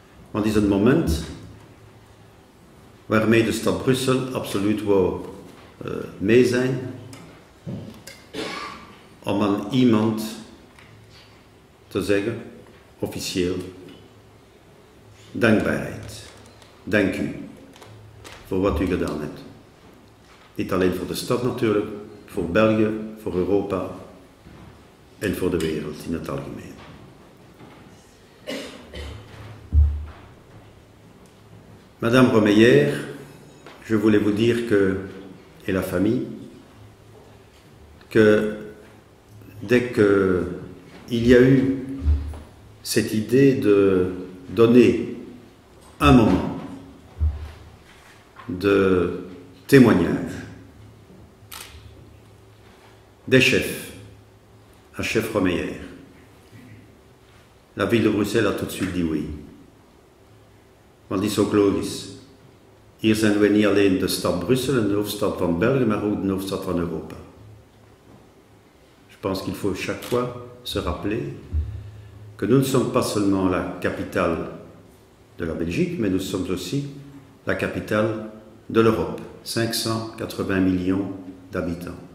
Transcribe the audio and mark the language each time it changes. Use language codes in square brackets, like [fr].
[nl] Want het is een moment waarmee de stad Brussel absoluut wou mee zijn om aan iemand te zeggen, officieel, dankbaarheid. Dank u voor wat u gedaan hebt. Niet alleen voor de stad natuurlijk, voor België, voor Europa en voor de wereld in het algemeen. [fr] Madame Romeyer, je voulais vous dire que, et la famille, que dès qu'il y a eu cette idée de donner un moment de témoignage des chefs à chef Romeyer, la ville de Bruxelles a tout de suite dit oui. [nl] Want dit is ook logisch. Hier zijn we niet alleen de stad Brussel, de hoofdstad van België, maar ook de hoofdstad van Europa. [fr] Je pense qu'il faut chaque fois se rappeler que nous ne sommes pas seulement la capitale de la Belgique, mais nous sommes aussi la capitale de l'Europe, 580 millions d'habitants.